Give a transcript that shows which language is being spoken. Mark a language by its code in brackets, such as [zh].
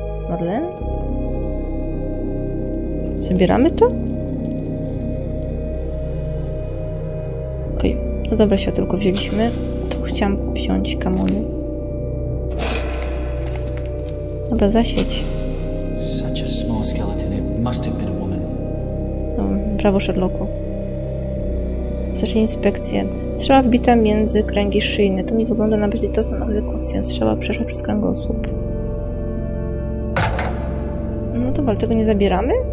[pl] Madeleine? Zabieramy to? Oj, no dobra, światełko wzięliśmy. To chciałam wziąć kamoniu. Dobra, zasieć. [en] Such a small skeleton, it must have been a woman. [pl] No, brawo, Sherlocku. Zacznij inspekcję. Strzała wbita między kręgi szyjne. To mi wygląda na bezlitosną egzekucję. Strzała przeszła przez kręgosłup. No to ale tego nie zabieramy?